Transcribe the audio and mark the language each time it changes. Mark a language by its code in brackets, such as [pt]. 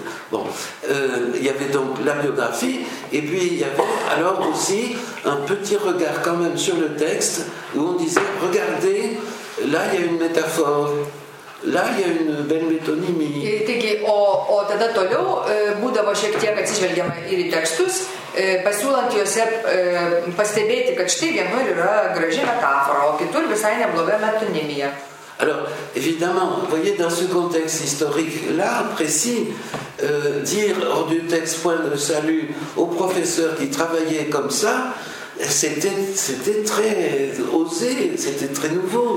[fr] Bon, il y avait donc la biographie et puis il y avait alors aussi un petit regard quand même sur le texte où on disait regardez, là il y a une métaphore, là il y a une belle métonymie. [lt] Et taigi, o tada toliau būdavo šiek tiek atsižvelgiama ir į tekstus, pasiūlant juose pastebėti, kad štai vienur yra graži metafora, o kitur visai nebloga metonymija. [fr] Alors, évidemment, vous voyez, dans ce contexte historique là, précis, dire hors du texte point de salut aux professeurs qui travaillaient comme ça, c'était très osé, c'était très nouveau.